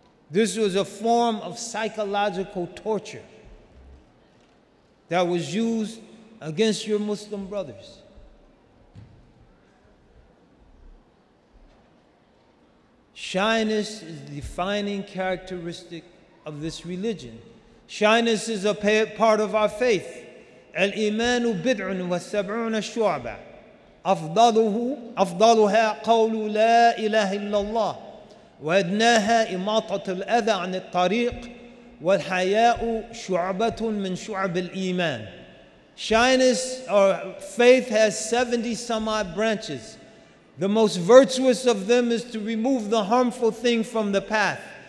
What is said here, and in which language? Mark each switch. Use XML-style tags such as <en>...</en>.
<en>This was a form of psychological torture that was used against your Muslim brothers. Shyness is the defining characteristic of this religion. Shyness is a part of our faith.</en> <ar>الإيمان بضع وسبعون شعبة أفضله أفضلها قول لا إله إلا الله وأدناها إماطة الأذى عن الطريق والحياء شعبة من شعب الإيمان.</ar> <en>Shyness or faith has 70 some odd branches. The most virtuous of them is to remove the harmful thing from the path.</en>